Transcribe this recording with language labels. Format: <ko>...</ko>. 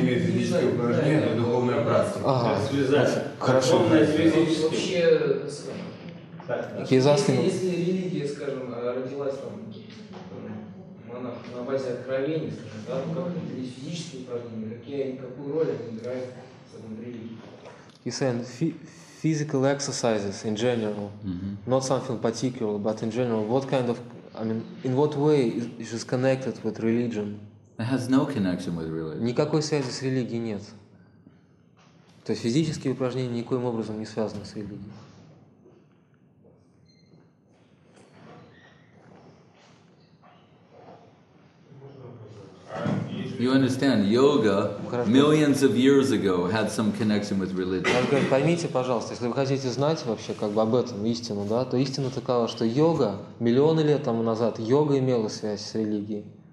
<ru>имеет физическое упражнение, но духовное практика. Ага. Связать. Хорошо. Вообще, если религия, скажем, родилась там, на базе откровений, скажем, да, то как это есть физические упражнения? Какую роль они играют в самом религии?</ru> <en>Physical exercises in general, not something particular, but in general, what kind of, I mean, in what way is it connected with religion? It has no connection with religion.</en> <ru>Никакой связи с религией нет. То есть физические упражнения никоим образом не связаны с религией.</ru> <en>You understand, yoga millions of years ago had some connection with religion.</en> <ru>Поймите, пожалуйста, если вы хотите знать вообще как бы об этом истину, да, то истина такова, что йога миллионы лет тому назад йога имела связь с религией.</ru>